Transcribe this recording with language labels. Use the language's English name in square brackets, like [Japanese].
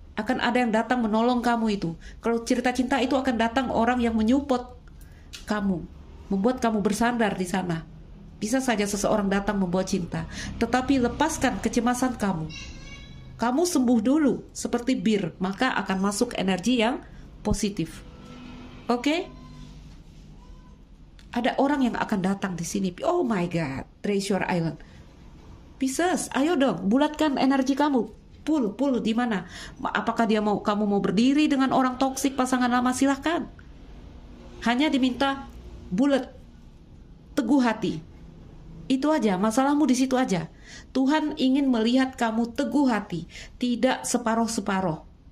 [Indonesian] Akan ada yang datang menolong kamu itu. Kalau cerita cinta itu akan datang orang yang menyupport kamu, membuat kamu bersandar di sana. Bisa saja seseorang datang membawa cinta. Tetapi lepaskan kecemasan kamu. Kamu sembuh dulu seperti bir, maka akan masuk energi yang positif. Oke? Ada orang yang akan datang di sini. [English] Oh my God, Treasure Island. [Indonesian] Pisces, ayo dong, bulatkan energi kamu. Pull, di mana? Apakah dia mau kamu mau berdiri dengan orang toksik pasangan lama? Silahkan. Hanya diminta bulat, teguh hati. Itu aja, masalahmu di situ aja. Tuhan ingin melihat kamu teguh hati, tidak separoh-separoh.